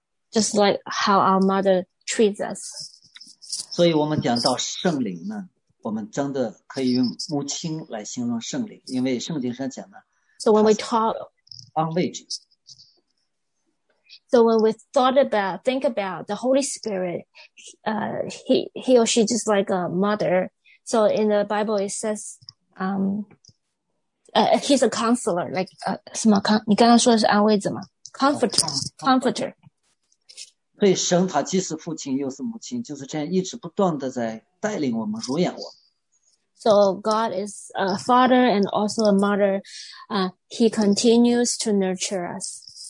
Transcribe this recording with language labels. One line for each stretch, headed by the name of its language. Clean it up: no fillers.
English: Just like how our mother treats us.
Chinese: 所以我们讲到圣灵呢。我们真的可以用母亲来形容圣灵，因为圣经上讲的。So
English: when we talk, language. So when we thought about, think about the Holy Spirit, he or she just like a mother. So in the Bible, it says, he's a counselor, like
Chinese: 什么？你刚刚说的是安慰者吗 ？
English: Comforter.
Chinese: 所以神他既是父亲又是母亲，就是这样一直不断的在带领我们，濡养我们。
English: So God is a father and also a mother. He continues to nurture us.